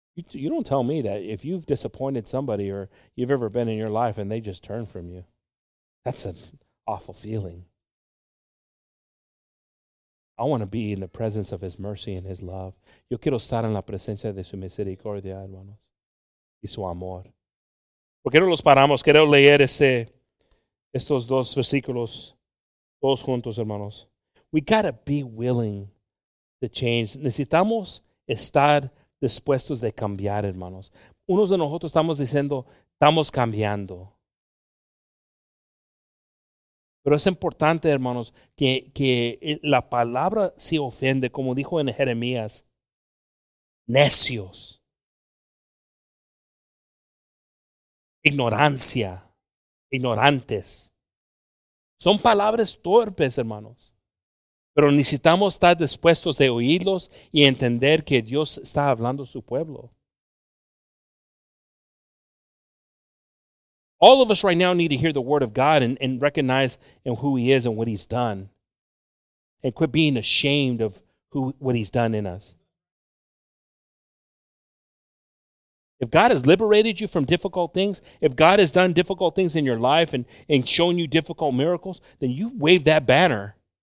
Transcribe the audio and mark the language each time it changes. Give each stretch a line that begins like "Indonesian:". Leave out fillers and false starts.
English: You don't tell me that if you've disappointed somebody or you've ever been in your life and they just turn from you. That's an awful feeling. I want to be in the presence of his mercy and his love.
Spanish: Yo quiero estar en la presencia de su misericordia, hermanos, y su amor. Porque no los paramos. Quiero leer estos dos versículos, todos juntos, hermanos.
English: We got to be willing to change.
Spanish: Necesitamos estar dispuestos de cambiar, hermanos. Unos de nosotros estamos diciendo, estamos cambiando. Pero es importante, hermanos, que la palabra se ofende, como dijo en Jeremías, necios, ignorancia, ignorantes. Son palabras torpes, hermanos. Pero necesitamos estar dispuestos de oírlos y entender que Dios está hablando a su pueblo.
English: All of us right now need to hear the word of God and recognize in who he is and what he's done. And quit being ashamed of what he's done in us. If God has liberated you from difficult things, if God has done difficult things in your life and shown you difficult miracles, then you wave that banner.